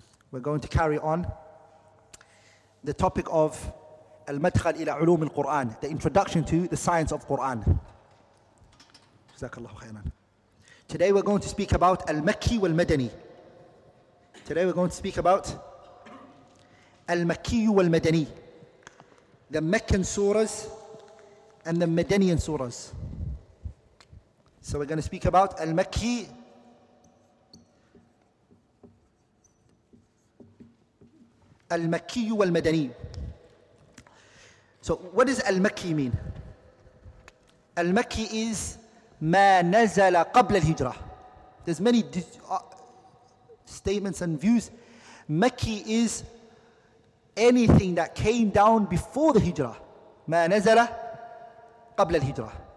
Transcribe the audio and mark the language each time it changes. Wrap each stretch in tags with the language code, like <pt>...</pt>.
<en>we're going to carry on the topic of</en> <ar>المدخل إلى علوم القرآن</ar> <en>the introduction to the science of Quran Today we're going to speak about Al-Makki wal-Madani. Today we're going to speak about Al-Makki wal-Madani. The Meccan surahs and the Madanian surahs. So we're going to speak about Al-Makki Al-Makki wal-Madani. So what does Al-Makki mean?</en> <ar>Al-Makki is ما نزل قبل الهجرة.</ar> <en>There's many statements and views. Makki is anything that came down before the hijrah.</en> <ar>ما نزل قبل الهجرة.</ar>